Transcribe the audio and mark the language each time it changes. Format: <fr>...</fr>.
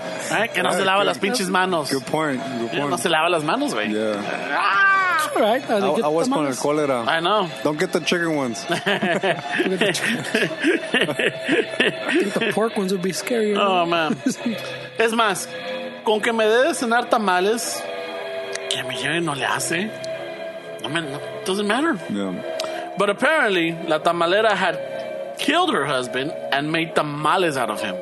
<es>Right? Que no se lava las pinches manos.</es> <en>Good point. Good point.</en> <es>No se lava las manos, güey.</es> <en>Yeah. All right. I was</en> <es>con el cólera.</es> <en>I know. Don't get the chicken ones. I think the pork ones would be scarier. Oh, man.</en> <es>Es más, con que me dé de cenar tamales, que me lleve no le hace.</es> <en>I mean, it doesn't matter. Yeah. But apparently, la tamalera had killed her husband and made tamales out of him.</en>